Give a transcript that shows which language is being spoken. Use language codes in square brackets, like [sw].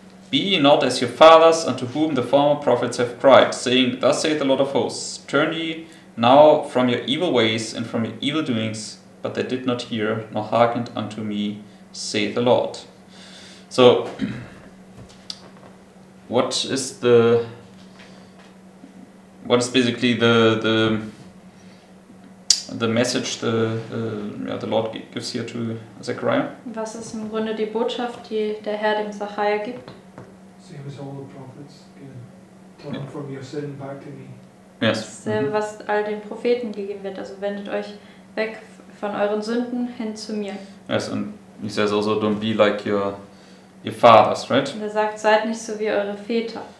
[en] Be ye not as your fathers, unto whom the former prophets have cried, saying, thus saith the Lord of hosts, turn ye now from your evil ways and from your evil doings, but they did not hear, nor hearkened unto me, saith the Lord. So, what is basically the message the Lord gives here to Zechariah? [de] Was ist im Grunde die Botschaft, die der Herr dem Zacharja gibt? [en] Same as all the prophets, turn from your sin back to me. Yes. [de] Same was all den Propheten gegeben wird, also wendet euch weg von euren Sünden hin zu mir. [en] Yes, and he says also, don't be like your fathers, right? [de] Und er sagt, seid nicht so wie eure Väter.